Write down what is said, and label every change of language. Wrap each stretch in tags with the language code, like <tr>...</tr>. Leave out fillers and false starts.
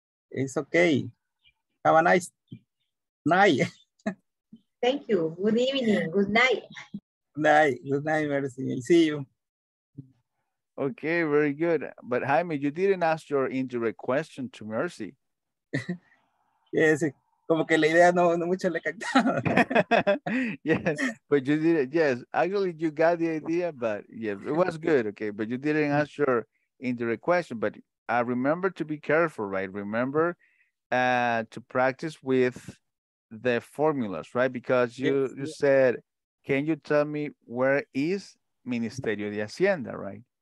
<en>It's okay. Have a nice night. Thank you. Good evening. Good night. Good night, Mercy. I'll see you. Okay, very good. But Jaime, you didn't ask your indirect question to Mercy.</en> <es>Yes, como que la idea no mucho le captó.</es> <en>Yes, but you did it. Yes, actually you got the idea, but yes, it was good. Okay, but you didn't ask your indirect question. But I remember to be careful, right? Remember to practice with the formulas, right? Because you said, can you tell me where is Ministerio de Hacienda, right?</en>